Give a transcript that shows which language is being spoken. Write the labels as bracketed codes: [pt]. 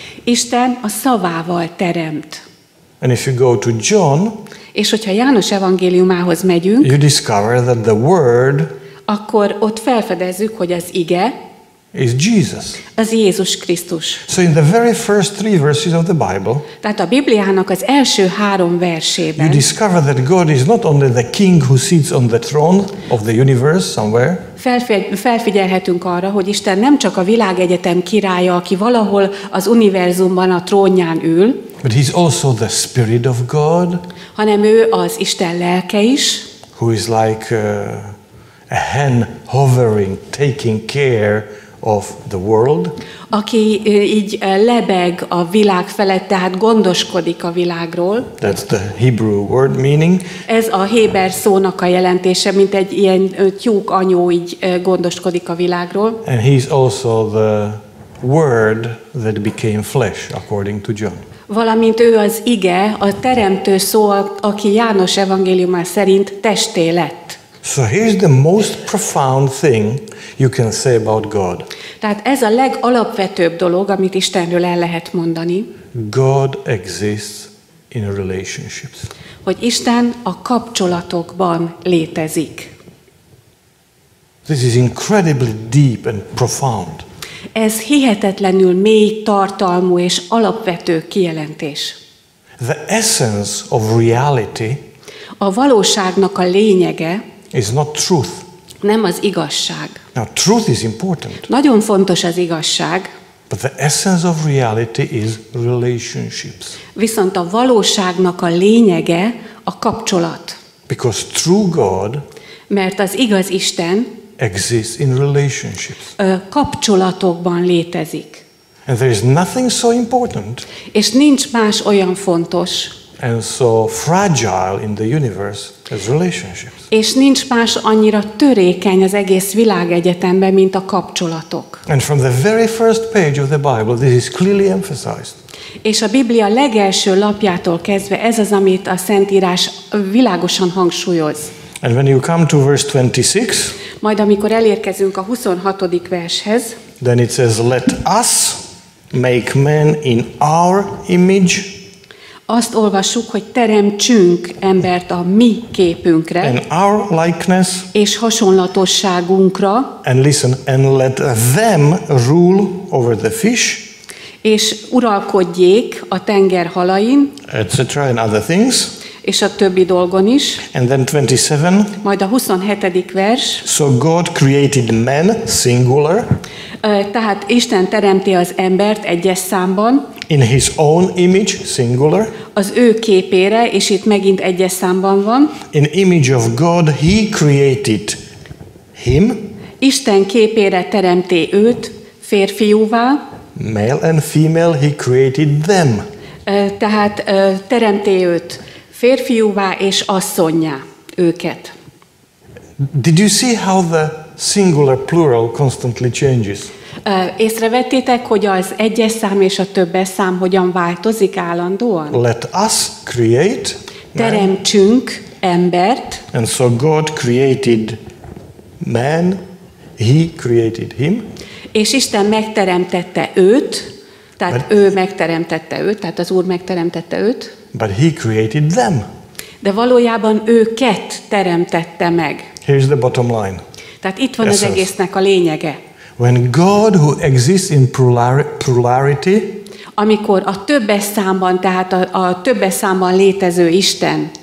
[hu] Isten a szavával teremt. [en] And if you go to John, [hu] és hogyha János evangéliumához megyünk, [en] you discover that the word, [hu] akkor ott felfedezzük, hogy az ige, [en] is Jesus. [hu] Az Jézus Krisztus. [en] So in the very first three verses of the Bible, [hu] tehát a Bibliának az első három versében, [en] you discover that God is not only the king who sits on the throne of the universe somewhere. [hu] Felfigyelhetünk arra, hogy Isten nem csak a világegyetem királya, aki valahol az univerzumban a trónján ül, [en] but he's also the Spirit of God, [hu] hanem ő az Isten lelke is, [en] who is like a hen hovering, taking care of the world. [hu] Aki így lebeg a világ felett, tehát gondoskodik a világról. [en] That's the Hebrew word meaning. [hu] Ez a héber szónak a jelentése, mint egy ilyen tyúk anyó így gondoskodik a világról. [en] And he's also the word that became flesh, according to John. [hu] Valamint ő az ige, a teremtő szó, aki János evangéliumán szerint testé lett. [en] So here's the most profound thing you can say about God. [hu] Tehát ez a legalapvetőbb dolog, amit Istenről el lehet mondani. [en] God exists in relationships. [hu] Hogy Isten a kapcsolatokban létezik. [en] This is incredibly deep and profound. [hu] Ez hihetetlenül mély tartalmú és alapvető kijelentés. [en] The essence of reality. [hu] A valóságnak a lényege. [en] Is not truth. [hu] Nem az igazság. [en] Now truth is important. [hu] Nagyon fontos az igazság. [en] But the essence of reality is relationships. [hu] Viszont a valóságnak a lényege a kapcsolat. [en] Because true God. [hu] Mert az igaz Isten. [en] Exists in relationships. [hu] Kapcsolatokban létezik. [en] And there is nothing so important. [hu] És nincs más olyan fontos. [en] And so fragile in the universe as relationships. [hu] És nincs más annyira törékeny az egész világegyetemben, mint a kapcsolatok. [en] And from the very first page of the Bible, this is clearly emphasized. [hu] És a Biblia legelső lapjától kezdve ez az, amit a Szentírás világosan hangsúlyoz. [en] And when you come to verse 26, [hu] majd amikor elérkezünk a 26. vershez, [en] then it says, let us make man in our image. [hu] Azt olvassuk, hogy teremtsünk embert a mi képünkre, [en] and our likeness, [hu] és hasonlatosságunkra, [en] and listen, and let them rule over the fish, [hu] és uralkodjék a tenger halain, [en] etc. and other things, [hu] és a többi dolgon is, [en] and then 27, [hu] majd a 27. vers, [en] so God created man, singular, [hu] tehát Isten teremti az embert egyes számban, [en] in his own image, singular, [hu] az ő képére, és itt megint egyes számban van, [en] in image of God, he created him, [hu] Isten képére teremté őt, férfiúvá, [en] male and female, he created them, [hu] tehát teremté őt férfiúvá és asszonyjá őket. [en] Did you see how the singular plural constantly changes? [hu] Észrevettétek, hogy az egyes szám és a többes szám hogyan változik állandóan? [en] Let us create. [hu] Teremtsünk embert. [en] And so God created man. He created him. [hu] És Isten megteremtette őt. Tehát but, ő megteremtette őt, tehát az Úr megteremtette őt. [en] But he created them. [hu] De valójában őket teremtette meg. [en] Here's the bottom line. [hu] Tehát itt van az egésznek a lényege. [en] When God who exists in plurality, [hu] amikor a többes számban, tehát a többes számban létező Isten